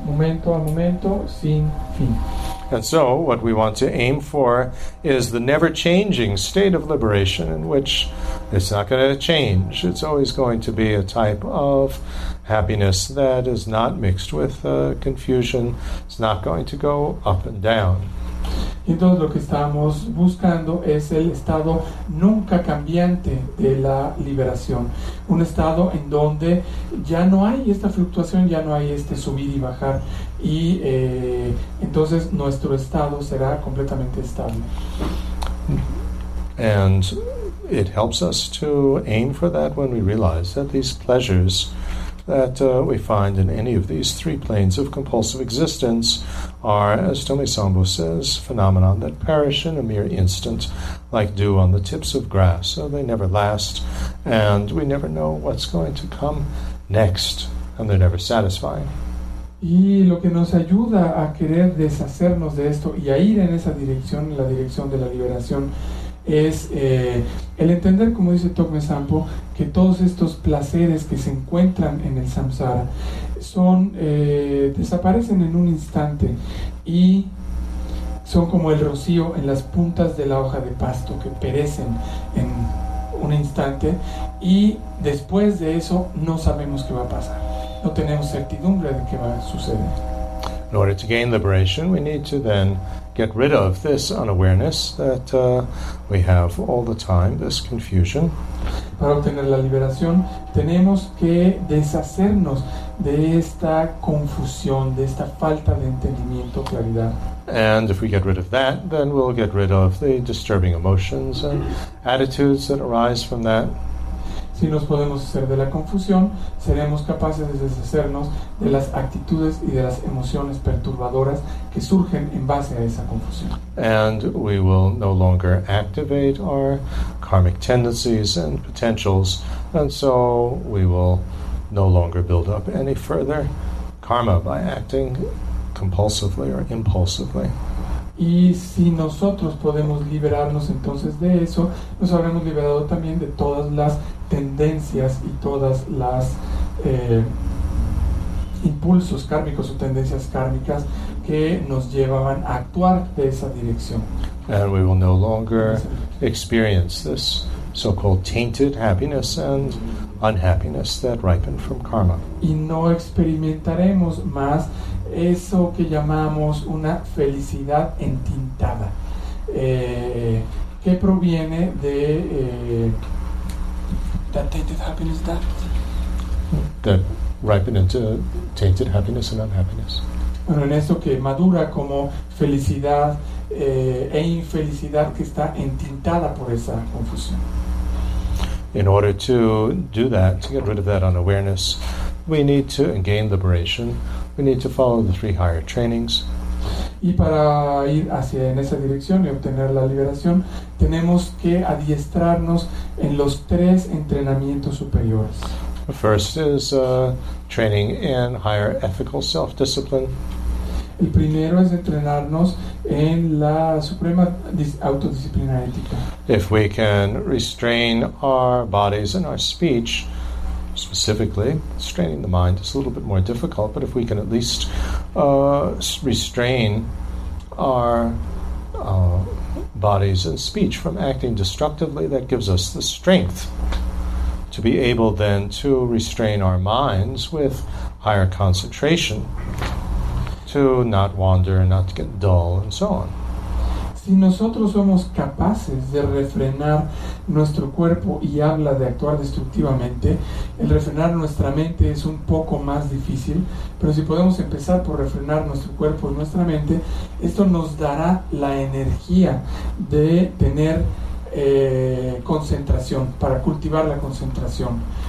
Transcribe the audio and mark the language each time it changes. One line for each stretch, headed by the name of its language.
Spanish: Momento a momento, sin fin.
English: And so, what we want to aim for is the never-changing state of liberation, in which it's not going to change. It's always going to be a type of happiness that is not mixed with confusion. It's not going to go up and down.
Spanish: Entonces, lo que estamos buscando es el estado nunca cambiante de la liberación. Un estado en donde ya no hay esta fluctuación, ya no hay este subir y bajar. Y entonces nuestro estado será completamente estable.
English: And it helps us to aim for that when we realize that these pleasures that we find in any of these three planes of compulsive existence are, as Tomisambo says, phenomena that perish in a mere instant, like dew on the tips of grass. So they never last, and we never know what's going to come next, and they're never satisfying.
Spanish: Y lo que nos ayuda a querer deshacernos de esto y a ir en esa dirección, la dirección de la liberación, es el entender, como dice Tokme Sampo, que todos estos placeres que se encuentran en el samsara son, desaparecen en un instante y son como el rocío en las puntas de la hoja de pasto, que perecen en un instante, y después de eso no sabemos qué va a pasar, no tenemos certidumbre de qué va a suceder.
English: In order to gain liberation, we need to then get rid of this unawareness that we have all the time, this confusion.
Spanish: Para obtener la liberación, tenemos que deshacernos de esta confusión, de esta falta de entendimiento, claridad.
English: And if we get rid of that, then we'll get rid of the disturbing emotions and attitudes that arise from that.
Spanish: Si nos podemos hacer de la confusión, seremos capaces de deshacernos de las actitudes y de las emociones perturbadoras que surgen en base a esa confusión.
English: And we will no longer activate our karmic tendencies and potentials, and so we will no longer build up any further karma by acting compulsively or impulsively.
Spanish: Y si nosotros podemos liberarnos entonces de eso, nos habremos liberado también de todas las tendencias y todas las impulsos kármicos o tendencias kármicas que nos llevaban a actuar de esa dirección.
English: And we will no longer experience this so-called tainted happiness and unhappiness that ripened from karma.
Spanish: Y no experimentaremos más eso que llamamos una felicidad entintada, que proviene de
English: that tainted happiness, that ripened into tainted happiness and unhappiness.
Spanish: Bueno, en eso que madura como felicidad e infelicidad que está entintada por esa confusión.
English: In order to do that, to get rid of that unawareness, we need to gain liberation. We need to follow the three higher trainings.
Spanish: Y para ir hacia en esa dirección y obtener la liberación, tenemos que adiestrarnos en los tres entrenamientos superiores.
English: The first is training in higher ethical self-discipline.
Spanish: El primero es entrenarnos en la suprema autodisciplina ética.
English: If we can restrain our bodies and our speech, specifically, straining the mind is a little bit more difficult, but if we can at least restrain our bodies and speech from acting destructively, that gives us the strength to be able then to restrain our minds with higher concentration, to not wander, not to get dull, and so on.
Spanish: Si nosotros somos capaces de refrenar nuestro cuerpo y habla de actuar destructivamente, el refrenar nuestra mente es un poco más difícil, pero si podemos empezar por refrenar nuestro cuerpo y nuestra mente, esto nos dará la energía de tener concentración, para cultivar la concentración.